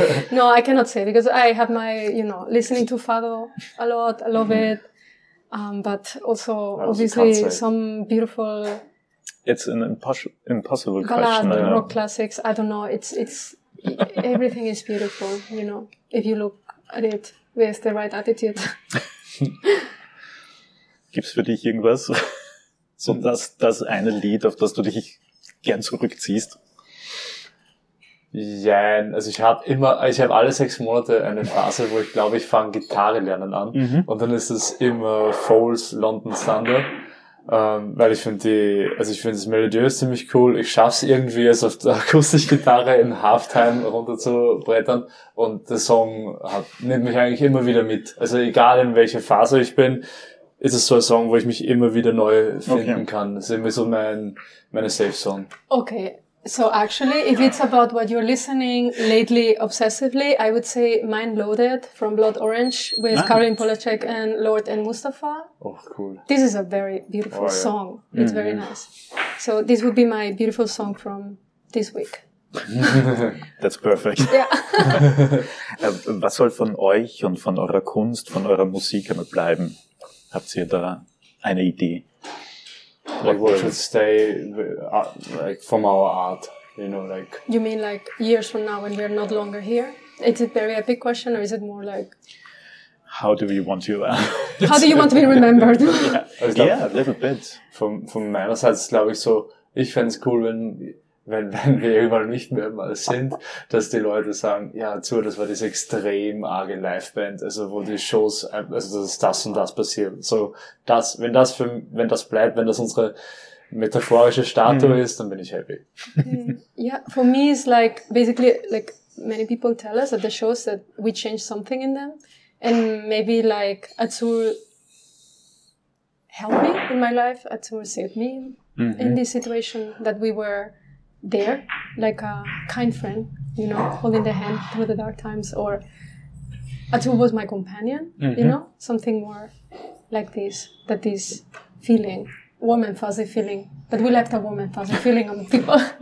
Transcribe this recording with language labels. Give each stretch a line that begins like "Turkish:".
English: No, I cannot say because I have my, you know, listening to Fado a lot. I love it. But also, obviously, some beautiful... It's an impossible question. Ballad, rock classics, I don't know. It's everything is beautiful, you know, if you look at it with the right attitude.
German: Gibt's für dich irgendwas? So das eine Lied, auf das du dich gern zurückziehst? Ja, also ich habe alle 6 Monate eine Phase, wo ich glaube, ich fange Gitarre lernen an. Mhm. Und dann ist es immer Foles London Thunder. Weil ich finde das melodiös ziemlich cool. Ich schaff's irgendwie, es auf der Akustikgitarre in Halftime runterzubrettern. Und der Song nimmt mich eigentlich immer wieder mit. Also egal in welcher Phase ich bin, ist es so ein Song, wo ich mich immer wieder neu finden kann. Das ist irgendwie so meine Safe Song.
English: Okay. So actually, if it's about what you're listening lately obsessively, I would say Mind Loaded from Blood Orange with Karolin Polacek and Lord and Mustafa. Oh, cool. This is a very beautiful song. It's very nice. So this would be my beautiful song from this week. That's perfect. Yeah.
German: Was soll von euch und von eurer Kunst, von eurer Musik immer bleiben? Habt ihr da eine Idee?
English: Like, what should stay, like, from our art, you know, like... You mean, like, years from now when we're not longer here? Is it a very epic question, or is it more like... How do we want to... how do you want to be remembered? Yeah, a little bit.
German: From meiner Seite ist, glaube ich, so, ich fände es cool, wenn wir irgendwann nicht mehr mal sind, dass die Leute sagen, ja, zu, das war diese extrem arge Liveband, also wo die Shows, also das und das passiert. So, das, wenn das bleibt, wenn das unsere metaphorische Statue ist, dann bin ich happy.
English: Yeah, for me it's like, basically, like many people tell us at the shows that we change something in them and maybe like Azul helped me in my life, Azul saved me in this situation that we were there, like a kind friend, you know, holding the hand through the dark times, or Atul was my companion, you know, something more like this, that this feeling, warm and fuzzy feeling, that we left a warm and fuzzy feeling on people.